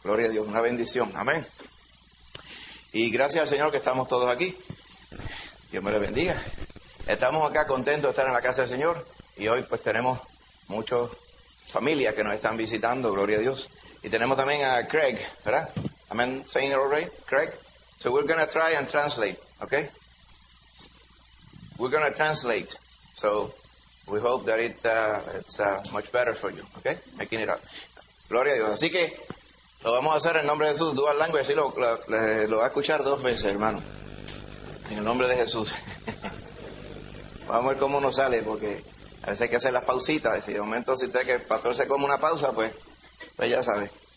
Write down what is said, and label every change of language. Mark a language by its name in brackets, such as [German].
[Spanish] Gloria a Dios, una bendición. Amén. Y gracias al Señor que estamos todos aquí. Dios me lo bendiga. Estamos acá contentos de estar en la casa del Señor. Y hoy pues tenemos muchas familias que nos están visitando. Gloria a Dios. Y tenemos también a Craig, ¿verdad? Amén. [English] Saying it already, Craig. So we're going to try and translate, okay? We're going to translate. So we hope that it's much better for you, okay? Making it up. [Spanish] Gloria a Dios. Así que lo vamos a hacer en nombre de Jesús. [English] Dual language. [Spanish] Así lo va a escuchar dos veces, hermano. En el nombre de Jesús. Vamos a ver cómo nos sale, porque a veces hay que hacer las pausitas. Si de momento si usted que el pastor se come una pausa, pues ya sabe.